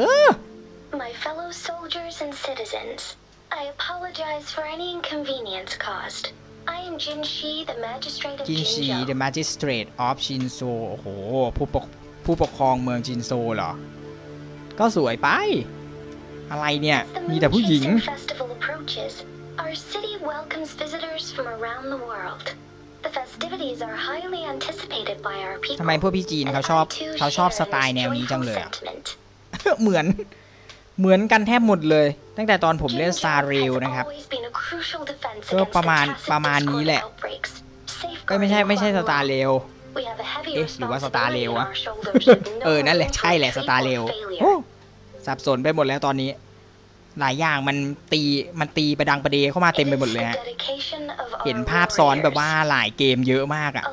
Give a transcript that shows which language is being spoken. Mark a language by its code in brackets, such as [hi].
[en] อ My fellow soldiers and citizensI apologize for any inconvenience caused. I am Jin Shi, the magistrate of Jinzhou. Jin Shi, the magistrate of Jinzhou. [th] โอ้โหผู้ปกครองเมืองจินโซเหรอก็สวยไปอะไรเนี่ยมีแต่ผู้หญิง [en] The festival approaches. Our city welcomes visitors from around the world. The festivities are highly anticipated by our people. [th] ทำไมพวกพี่จีนเขาชอบสไตล์แนวนี้จังเลยเหมือนกันแทบหมดเลยตั้งแต่ตอนผมเล่นซาเรลนะครับก็ประมาณนี้แหละก็ไม่ใช่สตาร์เรลเอ๊ะหรือว่าสตาร์เรลวะ นั่นแหละใช่แหละสตาร์เรลสับสนไปหมดแล้วตอนนี้หลายอย่างมันตีประดังประเดเข้ามาเต็มไปหมดเลยฮะเห็นภาพซ้อนแบบว่าหลายเกมเยอะมาก